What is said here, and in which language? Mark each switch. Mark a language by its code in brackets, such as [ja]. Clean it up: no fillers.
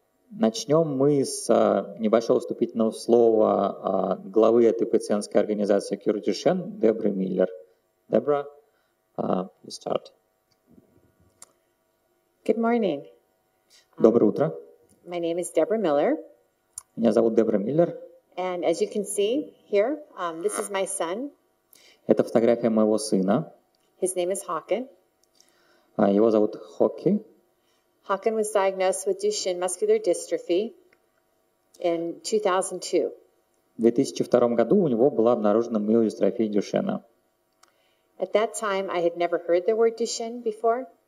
[ru] Начнем мы с небольшого вступительного слова главы этой пациентской организации «Кюр Дюшен» Дебры Миллер. [en] Дебра, you start. Good morning. [ru] Доброе утро. [en] My name is Deborah Miller. [ru] Меня зовут Дебра Миллер. [en] And as you can see here, this is my son. [ru] Это фотография моего сына. [en] His name is Håkon. [ru] Его зовут Хокки. [en] Håkon was diagnosed with Duchenne muscular dystrophy in 2002. [ru] В 2002 году у него была обнаружена миодистрофия Дюшенна. [en] At that time, I had never heard the word Duchenne before.